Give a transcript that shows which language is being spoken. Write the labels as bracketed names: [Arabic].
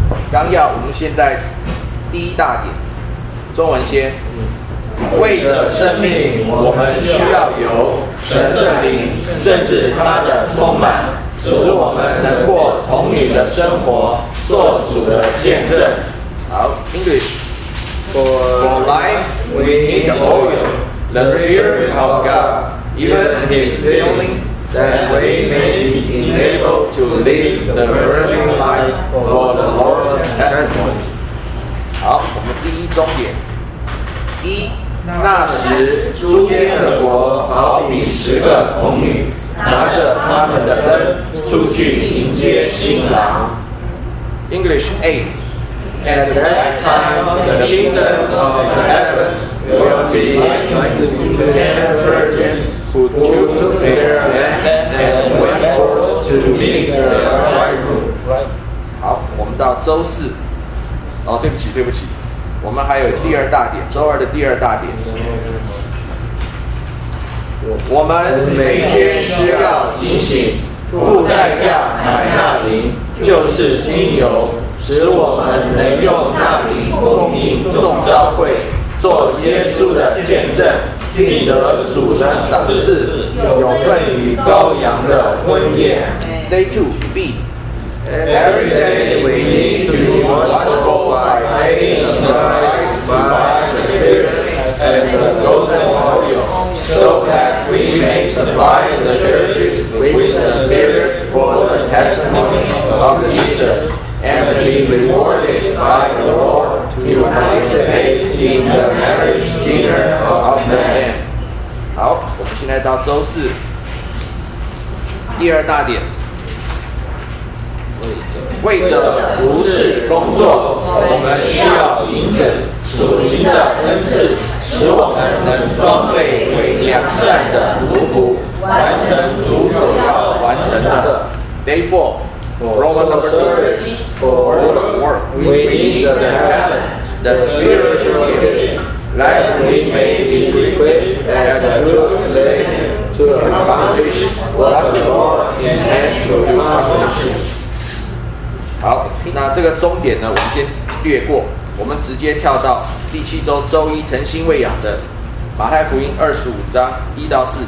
[Chinese] 纲要，我们现在第一大点，中文先。为着生命，我们需要有神的灵，甚至他的充满。使我们能过同你的生活，做主的见证。 [English] 好 ，English for life, we need the oil, the spirit of God, even His filling, that we may be enabled to live the virgin life for the Lord's testimony. [Chinese] 好，我们第一重点，一。那时诸天的国好比十个童女拿着他们的灯出去迎接新郎。 [English] English A. At that time the kingdom of the heavens will be likened to 10 virgins who took their lamps and went forth to meet their bridegroom. [Chinese] 好，我们到周四。哦，对不起对不起，我们还有第二大点，周二的第二大点。我们每天需要警醒，付代价买那灵，就是精油，使我们能用那灵供应众召会，做耶稣的见证，并得主的赏赐，有份于羔羊的婚宴。 [English] Day two, B. Every day we need to be watchful by paying the price by the Spirit as the golden oil, so that we may supply the churches with the Spirit for the testimony of Jesus and be rewarded by the Lord to participate in the marriage dinner of the Lamb. [Chinese] 好，我们现在到周四第二大点。为着服事工作，我们需要银子、属灵的恩赐，使我们能装备为良善的奴仆，完成主所要完成的。 [English] Day four, Romans service for work. We need the talent, the spiritual gift, that we may be equipped as a good slave to accomplish what the Lord intends to accomplish. [Chinese] 好，那这个终点呢，我们先略过，我们直接跳到第七周周一晨兴喂养的马太福音25:1-4。